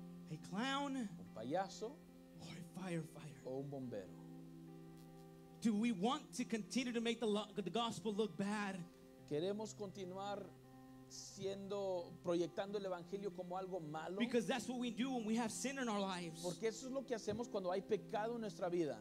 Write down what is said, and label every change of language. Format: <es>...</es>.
<en>A clown?</en> <es>Un payaso.</es> <en>Or a firefighter?</en> <es>O un bombero.</es> <en>Do we want to continue to make the gospel look bad?</en> <es>Queremos continuar siendo proyectando el evangelio como algo malo.</es> <en>Because that's what we do when we have sin in our lives.</en> <es>Porque eso es lo que hacemos cuando hay pecado en nuestra vida.</es>